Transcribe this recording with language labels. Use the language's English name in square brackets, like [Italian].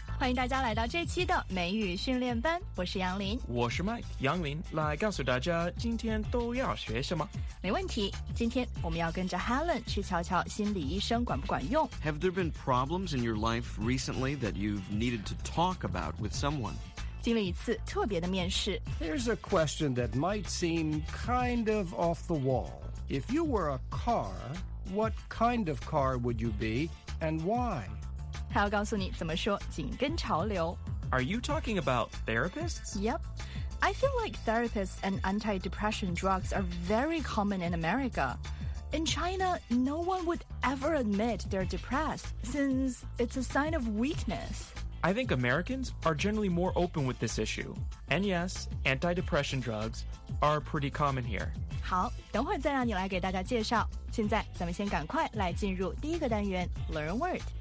[Chinese] 迎大家来到这期的美语训练班，我是杨林，我是 Mike 杨林，来告诉大家今天都要学什么。没问题，今天我们要跟着 Helen 去瞧瞧心理医生管不管用。 [English] Have there been problems in your life recently that you've needed to talk about with someone? [Chinese] 经历一次特别的面试。 [English] There's a question that might seem kind of off the wall. If you were a car, what kind of car would you be and why? [Chinese] 还要告诉你怎么说紧跟潮流。 [English] Are you talking about therapists? Yep. I feel like therapists and anti-depression drugs are very common in America. In China, no one would ever admit they're depressed since it's a sign of weakness. I think Americans are generally more open with this issue. And yes, anti-depression drugs are pretty common here. [Chinese] 好，等会再让你来给大家介绍。现在咱们先赶快来进入第一个单元 Learn Word.